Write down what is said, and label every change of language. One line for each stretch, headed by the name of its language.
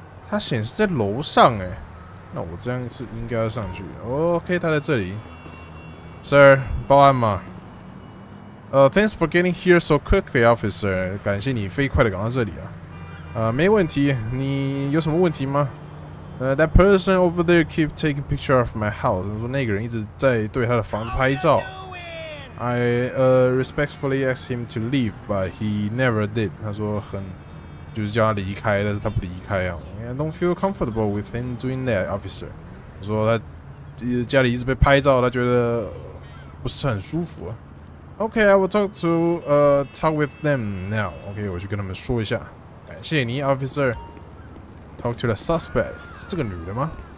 Chinese: 他显示在楼上欸，那我这样是应该要上去。 OK， 他在这里。Sir， 报案吗？
English: Thanks for getting here so quickly, officer。
Chinese: 感谢你飞快的赶到这里啊。没问题。你有什么问题吗？
English: That person over there keep taking picture of my house。
Chinese: 说那个人一直在对他的房子拍照。
English: I respectfully asked him to leave, but he never did.
Chinese: 他说很，就是叫他离开，但是他不离开啊。
English: I don't feel comfortable with him doing that, officer.
Chinese: 他说他家里一直被拍照，他觉得不是很舒服。
English: Okay, I will talk with them now. Okay,
Chinese: 我去跟他们说一下。感谢你 ，officer.
English: Talk to the suspect.
Chinese: 是这个女的吗？